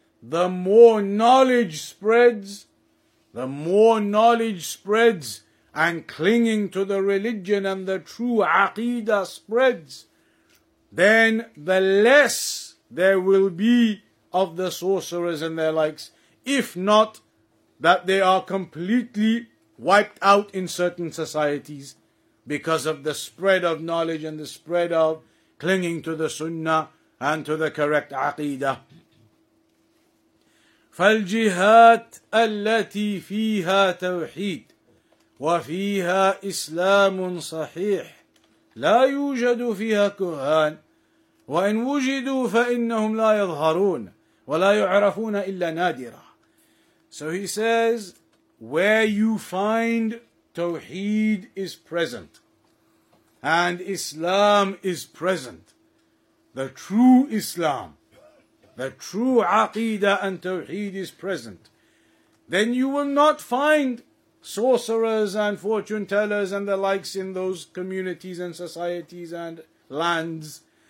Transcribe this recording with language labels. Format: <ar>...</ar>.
<en>The more knowledge spreads, the more knowledge spreads, and clinging to the religion and the true aqidah spreads, then the less there will be of the sorcerers and their likes, if not that they are completely wiped out in certain societies because of the spread of knowledge and the spread of clinging to the sunnah and to the correct aqidah.</en> <ar>فالجهات التي فيها توحيد وفيها إسلام صحيح لا يوجد فيها كهان وإن وجدوا فإنهم لا يظهرون ولا يعرفون إلا نادرا.</ar> <en>So he says, where you find Tawheed is present and Islam is present, the true Islam, the true Aqidah and Tawheed is present, then you will not find sorcerers and fortune tellers and the likes in those communities and societies and lands.</en>